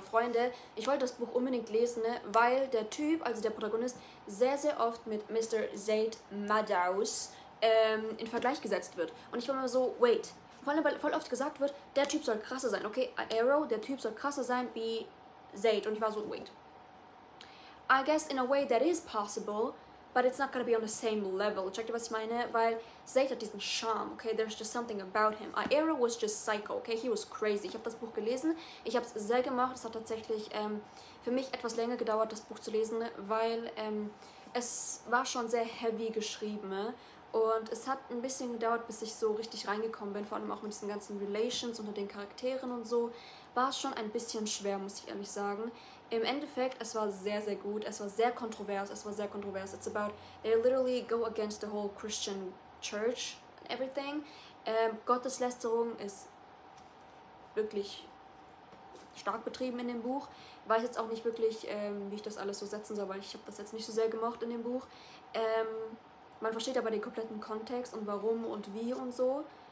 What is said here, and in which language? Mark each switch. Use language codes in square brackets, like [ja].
[de] Freunde, ich wollte das Buch unbedingt lesen, ne? Weil der Typ, also der Protagonist, sehr, sehr oft mit Mr. Zaid Madaus in Vergleich gesetzt wird. Und ich war immer so, wait. Vor allem, weil voll oft gesagt wird, der Typ soll krasser sein, okay? Arrow, der Typ soll krasser sein wie Zaid. Und ich war so, wait. [en] I guess in a way that is possible, but it's not gonna be on the same level. [de] Checkt ihr, was ich meine? Weil Zaid hat diesen Charme, okay? [en] There's just something about him. Aero was just psycho, okay? He was crazy. [de] Ich habe das Buch gelesen. Ich habe es sehr gemacht. Es hat tatsächlich für mich etwas länger gedauert, das Buch zu lesen, weil es war schon sehr heavy geschrieben. Und es hat ein bisschen gedauert, bis ich so richtig reingekommen bin. Vor allem auch mit diesen ganzen Relations unter den Charakteren und so. War es schon ein bisschen schwer, muss ich ehrlich sagen. Im Endeffekt, es war sehr, sehr gut. Es war sehr kontrovers. Es war sehr kontrovers. [en] It's about, they literally go against the whole Christian church and everything. [de] Gotteslästerung ist wirklich stark betrieben in dem Buch. Weiß jetzt auch nicht wirklich, wie ich das alles so setzen soll, weil ich habe das jetzt nicht so sehr gemocht in dem Buch. Man versteht aber den kompletten Kontext und warum und wie und so.